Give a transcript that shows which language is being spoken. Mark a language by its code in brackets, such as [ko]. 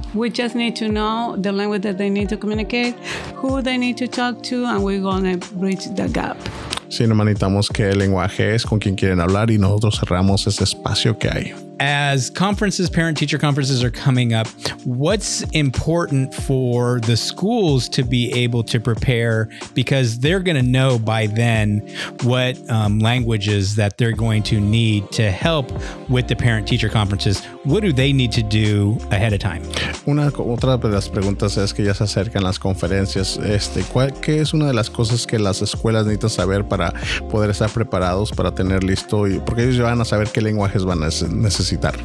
[en] We just need to know the language that they need to communicate, who they need to talk to, and we're going to bridge the gap. [es] Sí, no manitamos qué lenguaje es con quien quieren hablar y nosotros cerramos ese espacio que hay. [en] As conferences, parent-teacher conferences are coming up, what's important for the schools to be able to prepare, because they're going to know by then what languages that they're going to need to help with the parent-teacher conferences. What do they need to do ahead of time? [es] Otra de las preguntas es que ya se acercan las conferencias. ¿Qué es una de las cosas que las escuelas necesitan saber para poder estar preparados, para tener listo? Y porque ellos ya van a saber qué lenguajes van a necesitar.